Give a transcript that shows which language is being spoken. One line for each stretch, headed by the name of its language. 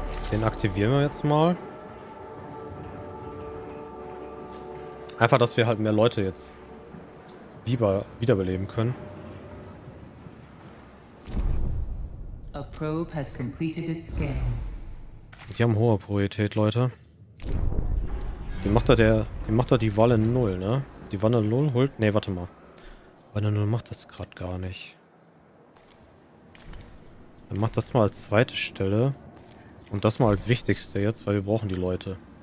German: Den aktivieren wir jetzt mal. Einfach, dass wir halt mehr Leute jetzt wiederbeleben können.
English: A probe has completed its scan.
German: Die haben hohe Priorität, Leute. Die macht da der. Die macht da die Walle 0, ne? Die Walle 0 holt. Ne, warte mal. Walle 0 macht das gerade gar nicht. Dann macht das mal als zweite Stelle. Und das mal als wichtigste jetzt, weil wir brauchen die Leute.